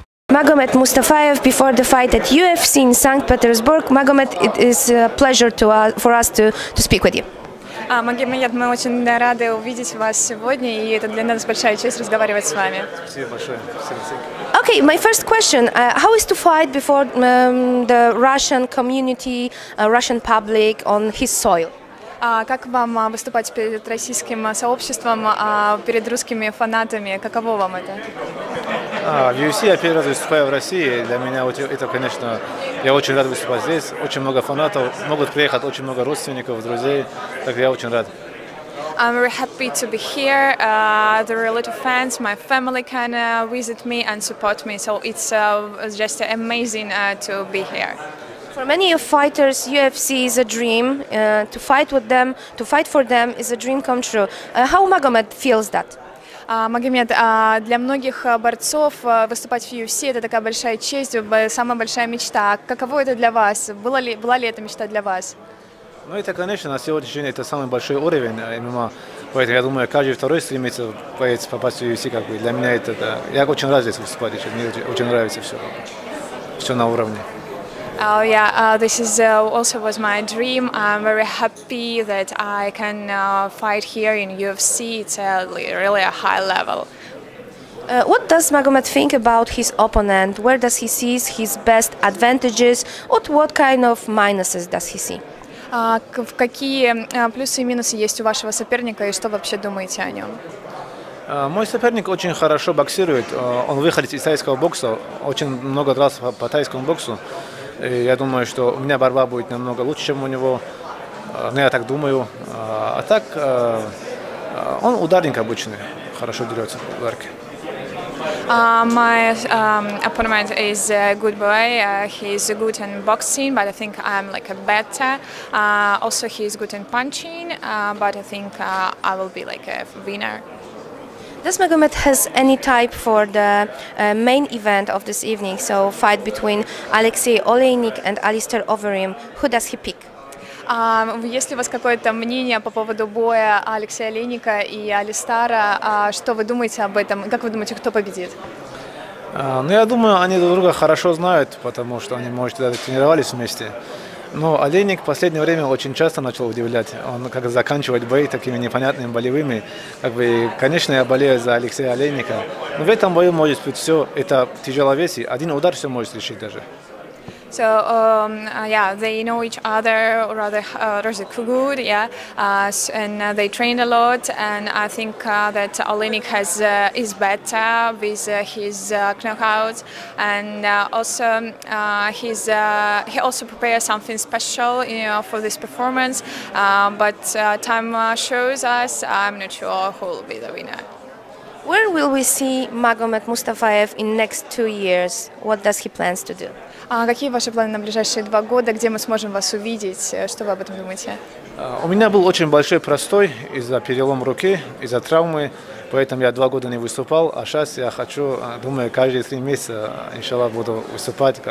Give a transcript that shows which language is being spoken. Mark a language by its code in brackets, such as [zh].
[en] Magomed Mustafayev before the fight at UFC in St. Petersburg. Magomed, it is a pleasure for us to speak with you. [ru] Магомед, мы очень рады увидеть вас сегодня, и это для нас большая честь разговаривать с вами. Спасибо большое. [en] Okay, my first question. How is to fight before the Russian community, Russian public on his soil? [ru] Как вам выступать перед российским сообществом, перед русскими фанатами? Каково вам это? В UFC я первый раз выступаю в России. Для меня это, конечно, я очень рад выступать здесь. Очень много фанатов, могут приехать очень много родственников, друзей. Так я очень рад. [en] I'm very happy to be here. There are a lot of fans. My family can visit me and support me. So it's just amazing to be here. For many of fighters, UFC is a dream. To fight with them, to fight for them is a dream come true. How Magomed feels that? [ru] Магомед, для многих борцов выступать в UFC – это такая большая честь, самая большая мечта. Каково это для вас? Была ли эта мечта для вас? Ну, это, конечно, на сегодняшний день это самый большой уровень MMA. Поэтому, я думаю, каждый второй стремится попасть в UFC. Как бы. Для меня это… Да. Я очень рад здесь выступать. Мне очень нравится все. Все на уровне. [en] Oh yeah, this is also was my dream. I'm very happy that I can fight here in UFC. It's really a high level. What does Magomed think about his opponent? Where does he see his best advantages? What kind of minuses does he see? [ru] Какие плюсы и минусы есть у вашего соперника, и что вообще думаете о нем? Мой соперник очень хорошо боксирует. Он выходец из тайского бокса. Очень много раз по тайскому боксу. Я думаю, что у меня борьба будет намного лучше, чем у него. Но я так думаю. А так, он ударник обычный. Хорошо дерется в ударке. [en] My opponent is a good boy. He's good in boxing, but I think I'm like a better. Also, he's good in punching, but I think I will be like a winner. Does Magomed has any type for the main event of this evening? So fight between Alexei Oleinik and Alistair Overeem. Who does he pick? [ru] Есть ли у вас какое-то мнение по поводу боя Алексея Олейника и Алистара? Что вы думаете об этом? Как вы думаете, кто победит? Ну, я думаю, они друг друга хорошо знают, потому что они, может, даже тренировались вместе. Но Олейник в последнее время очень часто начал удивлять. Он как заканчивает бои такими непонятными болевыми. Как бы, конечно, я болею за Алексея Олейника. Но в этом бою может быть все. Это тяжеловесие. Один удар все может решить даже. [en] So yeah, they know each other rather good, yeah, and they train a lot. And I think that Olenik has is better with his knockout, and also he's he also prepares something special, you know, for this performance. But time shows us. I'm not sure who will be the winner. Where will we see Magomed Mustafayev in next 2 years? What does he plans to do? [ru] Какие ваши планы на ближайшие 2 года? Где мы сможем вас увидеть? Что вы об этом думаете? У меня был очень большой простой из-за перелома руки, из-за травмы. Поэтому я 2 года не выступал. А сейчас я хочу, думаю, каждые 3 месяца, иншалла, буду выступать.